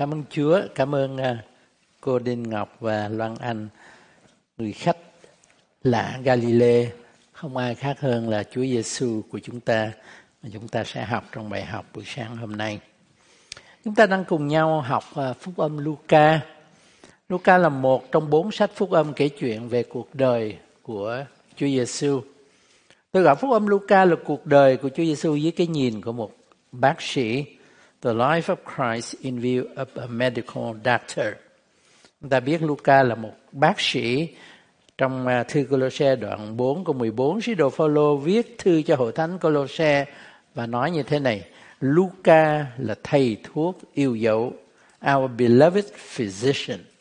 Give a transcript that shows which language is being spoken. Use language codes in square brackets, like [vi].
[vi] Chúa, cảm ơn cô Đinh Ngọc và Loan Anh, người khách lạ Galilee, không ai khác hơn là Chúa Giêsu của chúng ta mà chúng ta sẽ học trong bài học buổi sáng hôm nay. Chúng ta đang cùng nhau học Phúc âm Luca. Luca là một trong bốn sách Phúc âm kể chuyện về cuộc đời của Chúa Giêsu. Tôi gọi Phúc âm Luca là cuộc đời của Chúa Giêsu dưới cái nhìn của một bác sĩ. [en] The life of Christ in view of a medical doctor. [vi] Chúng ta biết Luca là một bác sĩ. Trong thư Colossae đoạn 4 câu 14, sứ đồ Phaolô viết thư cho hội thánh Colossae và nói như thế này: Luca là thầy thuốc yêu dấu, [en] our beloved physician.